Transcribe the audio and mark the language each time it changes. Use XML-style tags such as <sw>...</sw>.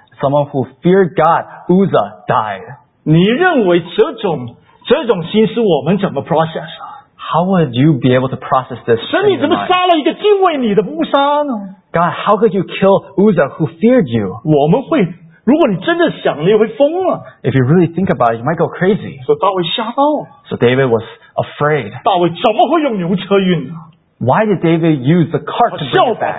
<en>Someone who feared God, Uzzah, died.</en> <zh>你认为这种心思我们怎么</zh> <en>process? How would you be able to process this?</en> <zh>神你怎么杀了一个敬畏你的乌撒呢?</zh> <en>God, how could you kill Uzzah who feared you?</en> <zh>我们会 如果你真的想了，你会疯了。</zh> <en>If you really think about it, you might go crazy.</en> <zh>所以大卫吓到。</zh> <en>So David was afraid.</en> <zh>大卫怎么会用牛车运?</zh> <en>Why did David use the cart to bring it back?</en>